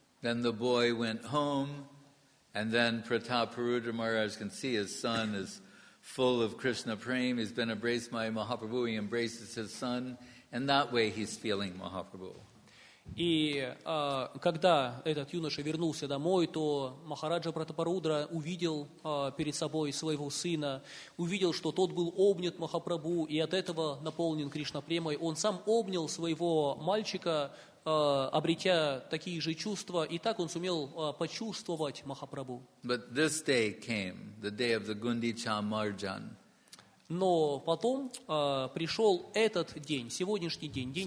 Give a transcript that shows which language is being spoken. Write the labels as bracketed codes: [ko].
[en] Then the boy went home, and then Prataparudra Maharaj can see his son is full of Krishna-prema. He's been embraced by Mahaprabhu. He embraces his son, and that way he's feeling Mahaprabhu. [ru] И когда этот юноша вернулся домой, то Махараджа Пратапарудра увидел перед собой своего сына, увидел, что тот был обнят Махапрабху и от этого наполнен Кришна-премой. Он сам обнял своего мальчика, обретя такие же чувства, и так он сумел почувствовать Махапрабху. [en] But this day came, the day of the Гундича Марджан. [ru] Но потом пришел этот день, сегодняшний день, день